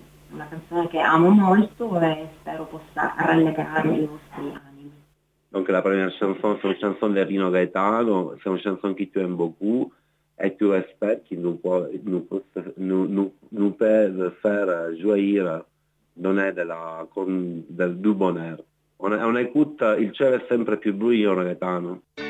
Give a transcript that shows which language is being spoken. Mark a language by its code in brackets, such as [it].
[it] Una canzone che amo molto e spero possa rallegrare i vostri animi. [fr] Donc la première chanson, c'est une chanson de Rino Gaetano, c'est une chanson que tu aimes beaucoup et tu espères qu'il nous peut faire jouir, donner du bonheur. On écoute Il ciel est sempre più buio, Gaetano.